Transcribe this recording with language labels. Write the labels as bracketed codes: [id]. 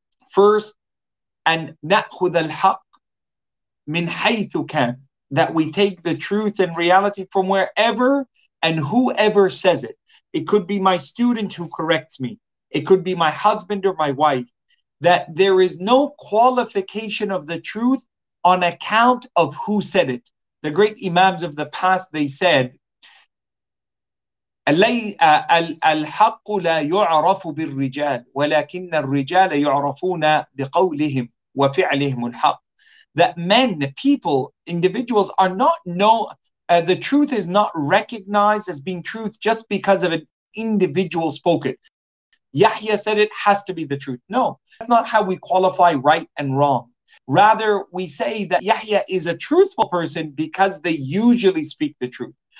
[en] First, and [ar] نأخذ الحق من حيث كان, [en] that we take the truth and reality from wherever and whoever says it. It could be my student who corrects me. It could be my husband or my wife. That there is no qualification of the truth on account of who said it. The great imams of the past, they said, [ar] الحق لا يعرف بالرجال ولكن الرجال يعرفون بقولهم وفعلهم الحق. [en] That men, people, individuals are not known, the truth is not recognized as being truth just because of an individual spoke it. Yahya said it has to be the truth. No, that's not how we qualify right and wrong. Rather, we say that Yahya is a truthful person because they usually speak the truth.